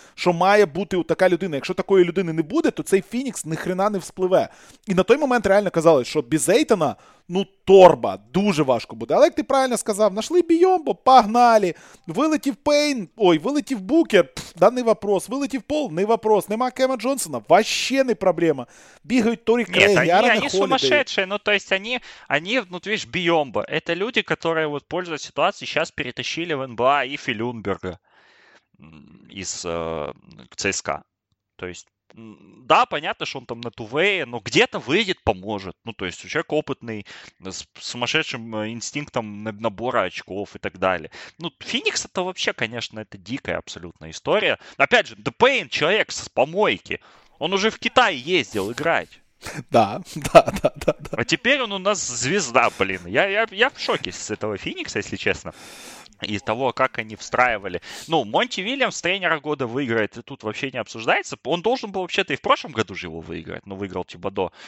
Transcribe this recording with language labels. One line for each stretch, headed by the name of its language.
Ukrainian: Що має бути от така людина. Якщо такої людини не буде, то цей Фінікс ніхрена не вспливе. І на той момент реально казали, що без Ейтона, ну, торба, дуже важко буде. Але, як ти правильно сказав, нашли Бійомбо, погнали. Вилетів Пейн, ой, вилетів Букер,
Russian: да не вопрос.
Ukrainian: Вилетів Пол,
Russian: не вопрос.
Ukrainian: Нема Кема Джонсона,
Russian: вообще не проблема.
Ukrainian: Бігають Торі Крей, Ярон Холідей. Ні, вони сумасшедші. Ну, то есть, вони, ну, ти ж, Бійомбо. Це люди, які, от, пользуясь ситуацією, зараз перетащили в НБА Іфі Люнберга із ЦСКА.
Russian: То есть, да, понятно, что он там на тувее, но где-то выйдет, поможет. Ну, то есть, у человека опытный, с сумасшедшим инстинктом набора очков и так далее. Ну, Феникс это вообще, конечно, это дикая абсолютная история. Опять же, The Pain, человек с помойки. Он уже в Китай ездил играть. Да, да, да, да, да. А теперь он у нас звезда, блин. Я в шоке с этого Феникса, если честно. И того, как они встраивали. Ну, Монти Вильямс тренера года выиграет, и тут вообще не обсуждается. Он должен был вообще-то и в прошлом году же его выиграть, но выиграл Тибадо.